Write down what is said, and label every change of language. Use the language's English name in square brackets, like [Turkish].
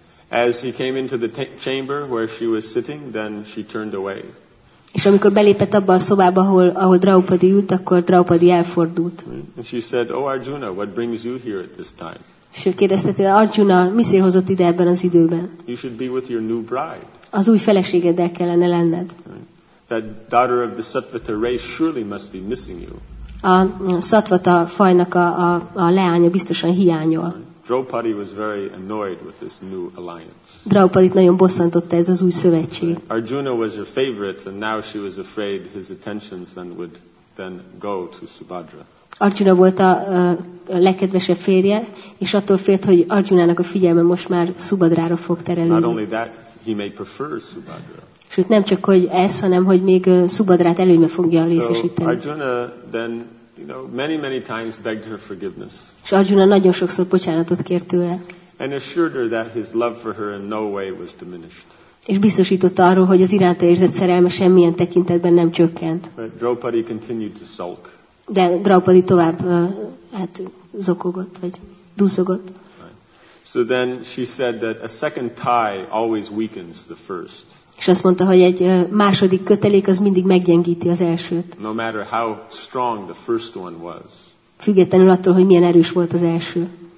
[English] As he came into the chamber where she was sitting, then she turned away. [Hungarian] És amikor belépett abba a szobába, ahol Draupadi ült, akkor Draupadi elfordult. [English] And she said, "Oh Arjuna, what brings you here at this time?" [Hungarian] És kérdezte tőle, Arjuna, mi szélt hozott ide ebben az időben? [English] You should be with your new bride. [Hungarian] Az új feleségeddel kellene lenned. [English] that daughter of the Satvata race surely must be missing you. [Hungarian] A Satvata fajnak a leánya biztosan hiányol. [English] Draupadi was very annoyed with this new alliance. [Hungarian] Draupadit nagyon bosszantotta ez az új szövetség. [English] Arjuna was her favorite, and now she was afraid his attentions then would then go to Subhadra. [Hungarian] Arjuna volt a legkedvesebb férje, és attól félt, hogy Arjunának a figyelme most már Subhadrára fog terelődni. [English] Not only that, he may prefer Subhadra. [Hungarian] Sőt, nem csak hogy ez, hanem hogy még Subhadrát előnybe fogja részesíteni. [English] So Arjuna then, you know, many times begged her forgiveness. [Hungarian] És Arjuna nagyon sokszor bocsánatot kért tőle. [English] And assured her that his love for her in no way was diminished. [Hungarian] És biztosította arról, hogy az iránta érzett szerelme semmilyen tekintetben nem csökkent. [English] But Draupadi continued to sulk. [Hungarian] De Draupadi tovább hát zokogott vagy duzzogott. [English] So then she said that a second tie always weakens the first. [Hungarian] És azt mondta, hogy egy második kötelék az mindig meggyengíti az elsőt. [English] No matter how strong the first one was. [Hungarian] Függetlenül attól, hogy milyen erős volt az első.